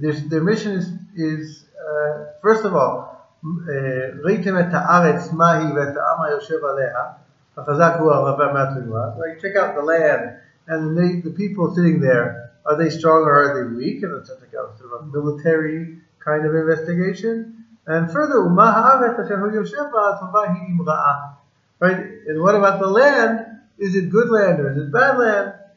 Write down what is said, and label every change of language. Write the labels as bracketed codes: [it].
[en] Their mission is first of all, [he] ראיתם את הארץ מהי ואת העם היושב עליה, החזק הוא הרבה מהתנועה. [en] Like, check out the land, and the people sitting there, are they strong or are they weak? And it's like a sort of a military kind of investigation. And further, [he] ומה הארץ אשר הוא יושב בה, הטובה היא אם רעה. [en] Right? And what about the land? Is it good land or is it bad land?